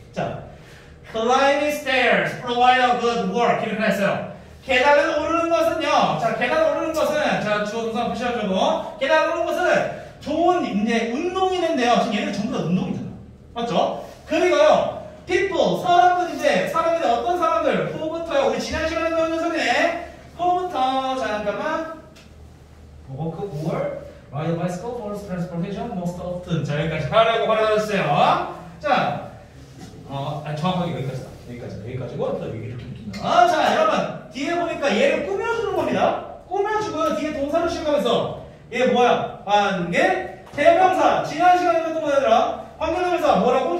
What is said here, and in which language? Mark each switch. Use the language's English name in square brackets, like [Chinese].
[English] 자, climbing stairs provide a good work. [Korean] 이렇게 했어요. 계단을 오르는 것은요, 자, 계단을 오르는 것은, 자, 주어동사 표시하려고. 계단을 오르는 것은 좋은, 이제, 운동이 된대요. 지금 얘는 전부 다 운동이잖아. 맞죠? 그리고요, people, 사람들 이제, 사람들이 어떤 사람들, who부터요, 우리 지난 시간에 배운 녀석이네. who부터, 잠깐만. [English] walk or ride a bicycle for transportation most often. [Korean] 자, 여기까지 하라고 말해주세요. 자, 정확하게 여기까지다. 여기까지고, 또 이렇게 느낀다. 자, 여러분, 뒤에 보니까 얘를 꾸며주는 겁니다. 꾸며주고요, 뒤에 동사를 시작하면서. 얘 뭐야? 반개? 대명사, 지난 시간에 배웠던 거네들아. 환경동에서 뭐라고?